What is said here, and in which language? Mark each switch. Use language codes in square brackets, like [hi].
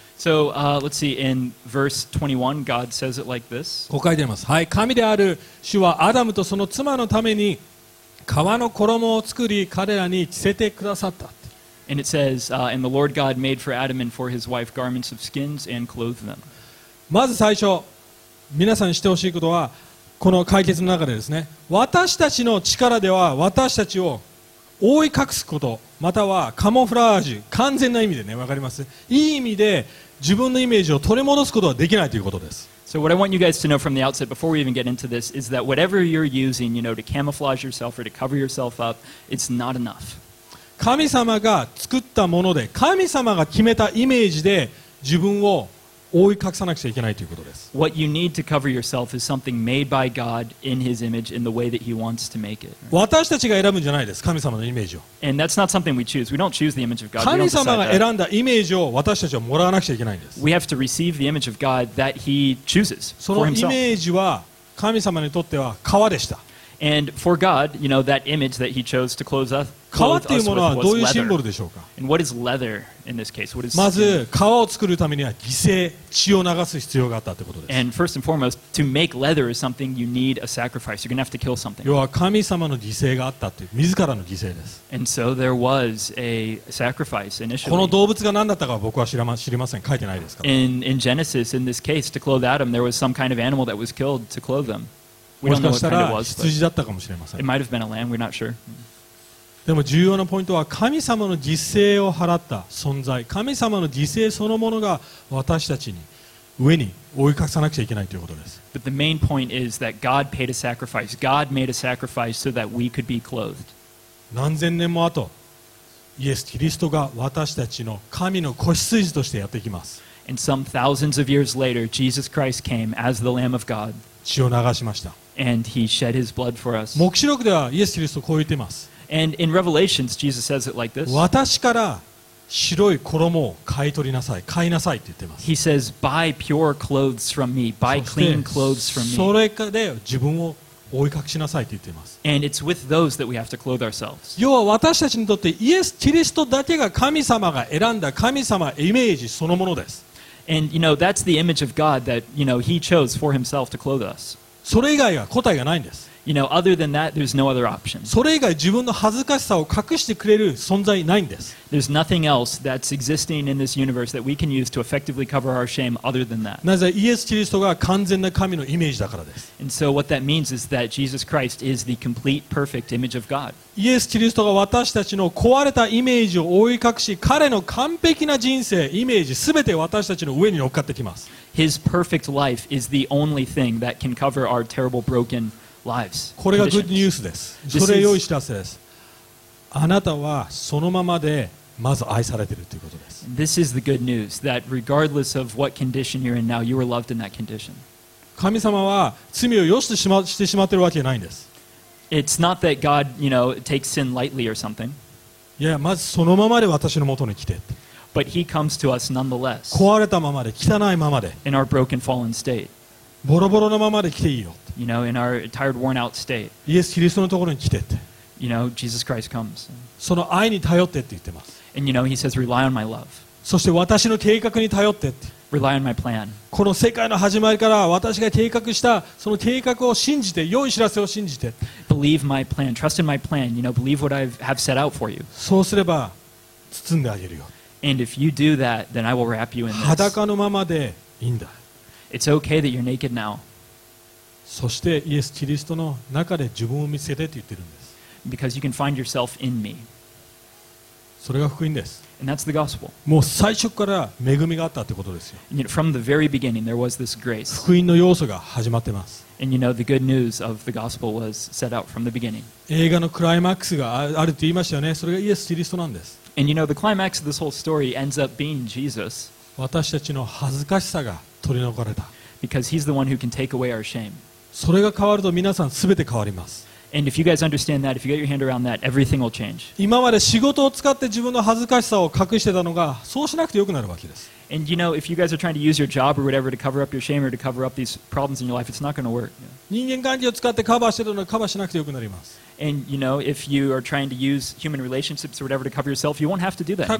[en] So let's see, in verse 21, God says it like this. [ja] こう書いてあります。はい、神である主はアダムとその妻のために皮の衣を作り、彼らに着せてくださった。 [en] And it says, and the Lord God made for Adam and for his wife garments of skins and clothed them. [ja] まず最初、皆さんに知ってほしいことは、この解決の中でですね、私たちの力では私たちを覆い隠すことまたはカモフラージュ完全な意味でね、わかります、いい意味で自分のイメージを取り戻すことはできないということです。 [en] So what I want you guys to know from the outset before we even get into this is that whatever you're using, you know, to camouflage yourself or to cover yourself up, it's not enough. [ja] 神様が作ったもので、神様が決めたイメージで自分を覆い隠さなくちゃいけないということです。 [en] What you need to cover yourself is something made by God in His image in the way that He wants to make it. [ja] 私たちが選ぶんじゃないです、神様のイメージを。 [en] And that's not something we choose. We don't choose the image of God. [ja] 神様が選んだイメージを私たちはもらわなくちゃいけないんです。 [en] We have to receive the image of God that He chooses for Himself. [ja] そのイメージは神様にとっては川でした。 [en] And for God, you know, that image that He chose to clothe us with was leather. [ja] シンボルでしょうか? [en] And what is leather in this case? What is [ja] まず、革を作るためには犠牲、血を流す必要があったってことです。 [en] And first and foremost, to make leather is something you need a sacrifice. You're going to have to kill something. [ja] 要は神様の犠牲があったっていう、自らの犠牲です。 [en] And so there was a sacrifice initially. [ja] この動物が何だったかは僕は知りません。書いてないですから。 [en] In Genesis, in this case, to clothe Adam, there was some kind of animal that was killed to clothe them. [ja] もしかしたら羊だったかもしれません。 [en] It might have been a lamb, we're not sure. [ja] でも重要なポイントは神様の犠牲を払った存在、神様の犠牲そのものが私たちに上に覆い隠さなくちゃいけないということです。 [en] But the main point is that God paid a sacrifice. God made a sacrifice so that we could be clothed. [ja] 何千年も後、イエス・キリストが私たちの神の子羊としてやってきます。 [en] And some thousands of years later, Jesus Christ came as the Lamb of God. [ja] 血を流しました。 [en] And he shed his blood for us. [ja] 黙示録ではイエス・キリストこう言っています。 [en] And in Revelations, Jesus says it like this. [ja] 私から白い衣を買い取りなさい、買いなさいって言ってます。 [en] He says, buy pure clothes from me, buy clean clothes from me. [ja] それで自分を覆い隠しなさいって言ってます。 [en] And it's with those that we have to clothe ourselves. [ja] 要は私たちにとってイエス・キリストだけが神様が選んだ神様イメージそのものです。 [en] And you know that's the image of God that you know He chose for Himself to clothe us. [ja] それ以外は答えがないんです。 [en] You know, other than that, there's no other option. [ja] それ以外自分の恥ずかしさを隠してくれる存在ないんです。 [en] There's nothing else that's existing in this universe that we can use to effectively cover our shame other than that. [ja] なぜイエス・キリストが完全な神のイメージだからです。 [en] And so what that means is that Jesus Christ is the complete, perfect image of God. [ja] イエス・キリストが私たちの壊れたイメージを覆い隠し、彼の完璧な人生、イメージ、すべて私たちの上に乗っかってきます。 [en] His perfect life is the only thing that can cover our terrible, broken lives. [ja] これがグッドニュースです。それ良い知らせです。あなたはそのままでまず愛されているということです。 [en] This is the good news that regardless of what condition you're in now, you are loved in that condition. [ja] 神様は罪を良しとしてしまっているわけじゃないんです。 [en] It's not that God, you know, takes sin lightly or something. [ja] いや、まずそのままで私の元に来て。 [en] But He comes to us nonetheless. [ja] 壊れたままで、汚いままで。 [en] In our broken, fallen state. [ja] ボロボロのままで来ていいよ。 [en] You know, in our tired, worn out state. [ja] イエス・キリストのところに来てって。 [en] You know, Jesus Christ comes. [ja] その愛に頼ってって言ってます。 [en] And you know, He says, rely on my love. [ja] そして私の計画に頼ってって。 [en] Rely on my plan. [ja] この世界の始まりから私が計画したその計画を信じて、良い知らせを信じて。 [en] Believe my plan. Trust in my plan. You know, believe what I have set out for you. [ja] そうすれば包んであげるよ。 [en] And if you do that, then I will wrap you in this. [ja] 裸のままでいいんだ。 [en] It's okay that you're naked now. [ja] そしてイエス・キリストの中で自分を見せてと言ってるんです。 [en] Because you can find yourself in me. [ja] それが福音です。 [en] And that's the gospel. [ja] もう最初から恵みがあったってことですよ。 [en] And you know, from the very beginning, there was this grace. [ja] 福音の要素が始まってます。 [en] And you know, the good news of the gospel was set out from the beginning. [ja] 映画のクライマックスがあると言いましたよね。それがイエス・キリストなんです。 [en] And you know, the climax of this whole story ends up being Jesus. [ja] 私たちの恥ずかしさが取り除かれた。 [en] Because he's the one who can take away our shame. [ja] それが変わると皆さん全て変わります。 [en] And if you guys understand that, if you get your hand around that, everything will change. [ja] 今まで仕事を使って自分の恥ずかしさを隠してたのが、そうしなくてよくなるわけです。 [en] And you know, if you guys are trying to use your job or whatever to cover up your shame or to cover up these problems in your life, it's not going to work. [ja] 人間関係を使ってカバーしてたのがカバーしなくてよくなります。 [en] And you know, if you are trying to use human relationships or whatever to cover yourself, you won't have to do that anymore.